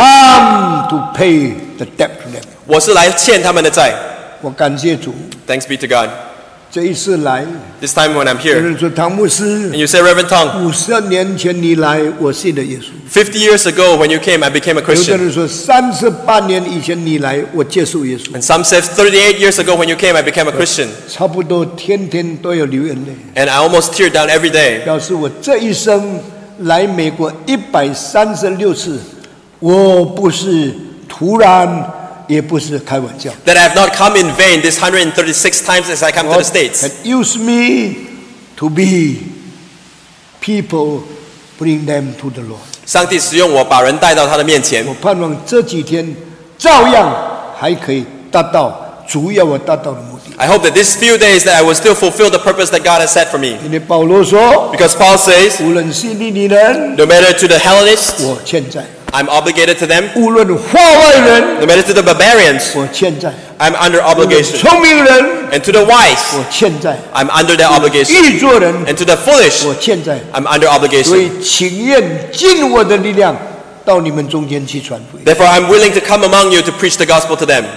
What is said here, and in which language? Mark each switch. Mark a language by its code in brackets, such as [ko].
[en] I come to pay the debt to them. [zh] 我是来欠他们的债。我感谢主。 [en] Thanks be to God. [zh] 这一次来 [en] This time when I'm here [zh] 有人说唐牧师 [en] And you say Reverend Tong [zh] 50年前你来我信了耶稣 [en] 50 years ago when you came I became a Christian [zh] 有人说38年以前你来我接受耶稣 [en] And some say 38 years ago when you came I became a Christian [zh] 差不多天天都有流眼泪 [en] And I almost teared down every day [zh] 表示我这一生来美国136次我不是突然也不是开玩笑 [en] That I have not come in vain this 136 times as I come、 God、 to the States. God can use me to be people, bring them to the Lord. [zh] 上帝使用我把人带到他的面前。我盼望这几天照样还可以达到主要我达到的目的。 [en] I hope that these few days that I will still fulfill the purpose that God has set for me. [zh] 因为保罗说 [en] Because Paul says, [zh] 无论是利尼人 [en] No matter to the Hellenists, [zh] 我欠债。 [en] I'm obligated to them. [zh] 无论化外人 [en] No matter to the barbarians. [zh] 我欠债 [en] I'm under obligation. [zh] 聪明人 [en] And to the wise. [zh] 我欠债 [en] I'm under their obligation. [zh] 愚拙人 [en] And to the foolish. [zh] 我欠债 [en] I'm under obligation. [zh] 所以情愿尽我的力量到你们中间去传福音 [en] Therefore, I'm willing to come among you to preach the gospel to them.